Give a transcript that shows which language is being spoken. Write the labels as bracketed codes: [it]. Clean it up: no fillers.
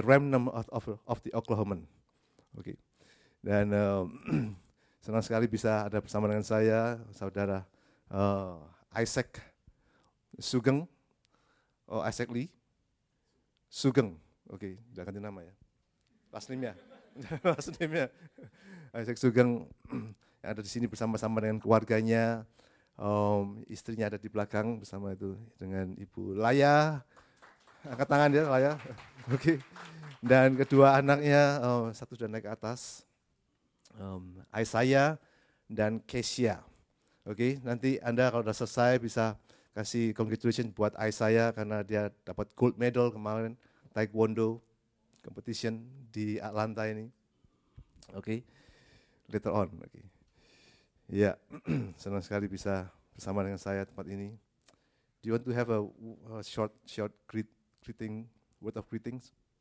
[en] remnant of the Oklahoman. Okay. [id] Dan senang sekali bisa ada bersama dengan saya, saudara Isaac Sugeng. Oh, Isaac Lee. Sugeng. [en] Okay, [id] jangan ganti nama ya. [en] Last name-nya. [id] Isaac Sugeng yang ada di sini bersama-sama dengan keluarganya. Istrinya ada di belakang bersama itu dengan Ibu Laya. Angkat tangan ya, Laya. [en] Okay. [id] Dan kedua anaknya, satu sudah naik ke atas. Isaiah dan Kesia. Okay, nanti Anda kalau sudah selesai bisa kasih congratulations buat Isaiah karena dia dapat [en] gold medal [id] kemarin [en] Taekwondo competition [id] di Atlanta ini. [en] Okay, later on. Okay. Ya, yeah. [id] Senang sekali bisa bersama dengan saya tempat ini. [en] Do you want to have a short greeting, word of greetings?